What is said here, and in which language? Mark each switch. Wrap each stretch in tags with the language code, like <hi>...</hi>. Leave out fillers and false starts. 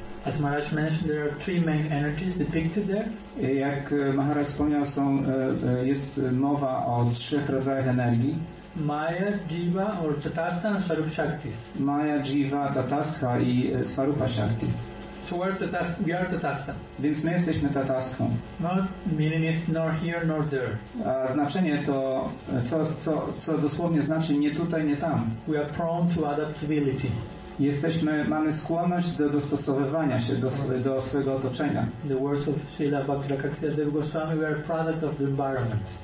<en>As Maharaj mentioned, there are three main energies depicted there.</en> <pl>Jak Maharaj wspomniał, jest mowa o trzech rodzajach energii.</pl> <en>Maya, Jiva or Tatastha and Swarupa Shaktis.</en> <pl>Maya, Jiva, Tatastha i Swarupa Shakti.</pl> <en>So we are Tatastha.</en> <pl>Więc my jesteśmy Tatasthą.</pl> <en>No, meaning is nor here nor there.</en> <pl>A znaczenie to, co dosłownie znaczy nie tutaj, nie tam.</pl> <en>We are prone to adaptability.</en> <pl>Mamy skłonność do dostosowywania się do swojego otoczenia.</pl> <en>The words of Srila Bhaktirakshya Dev Goswami, we are product of the environment.</en>